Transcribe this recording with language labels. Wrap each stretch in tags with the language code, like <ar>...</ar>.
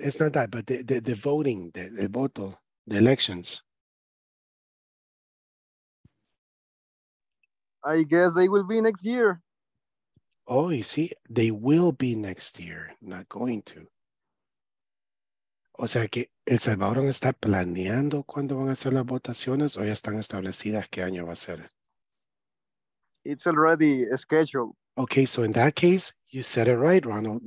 <en>It's not that. But the voting, the voto, the elections. I guess they will be next year. Oh, you see, they will be next year, not going to.</en> <es>O sea que El Salvador está planeando cuándo van a ser las votaciones o ya están establecidas qué año va a ser.</es> <en>It's already scheduled. Okay, so in that case, you said it right, Ronald.</en>